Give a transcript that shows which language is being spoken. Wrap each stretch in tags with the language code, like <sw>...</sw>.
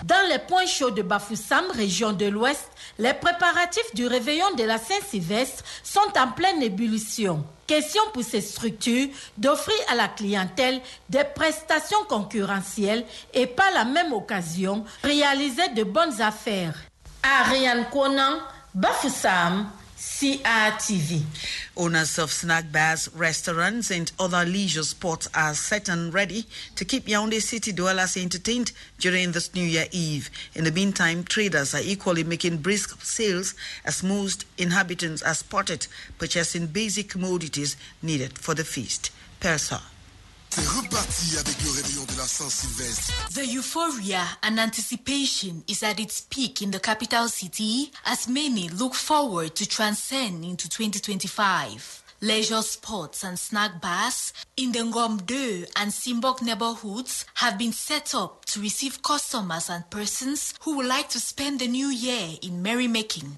<fr>Dans les points chauds de Bafoussam, région de l'Ouest, les préparatifs du réveillon de la Saint-Sylvestre sont en pleine ébullition. Question pour ces structures d'offrir à la clientèle des prestations concurrentielles et par la même occasion réaliser de bonnes affaires. Ariane Konan, Bafoussam, CRTV.</fr> <en>Owners of snack bars, restaurants and other leisure spots are set and ready to keep Yaoundé city dwellers entertained during this New Year Eve. In the meantime, traders are equally making brisk sales as most inhabitants are spotted purchasing basic commodities needed for the feast. Persa.</en> <fr>C'est reparti avec le réveillon de la Saint-Sylvestre.</fr> <en>The euphoria and anticipation is at its peak in the capital city as many look forward to transcend into 2025. Leisure spots and snack bars in the Ngom 2 and Simbok neighborhoods have been set up to receive customers and persons who would like to spend the new year in merrymaking.</en>